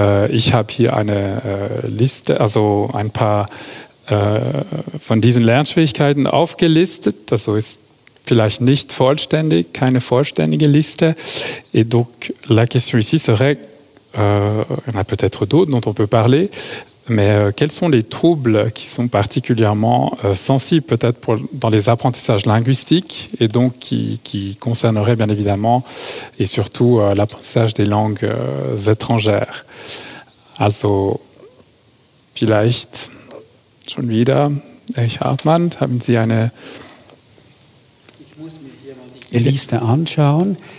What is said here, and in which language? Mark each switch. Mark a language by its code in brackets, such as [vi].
[de] Ich habe hier eine Liste, also ein paar von diesen Lernschwierigkeiten aufgelistet. Das so ist vielleicht nicht vollständig, keine vollständige Liste. [fr] Et donc la question ici serait, il y en a peut-être d'autres dont on peut parler, mais quels sont les troubles qui sont particulièrement sensibles peut-être dans les apprentissages linguistiques et donc qui concerneraient bien évidemment et surtout l'apprentissage des langues étrangères. [de] Also, vielleicht schon wieder, Erich Hartmann, haben Sie eine... Ich muss mir hier mal die Liste anschauen.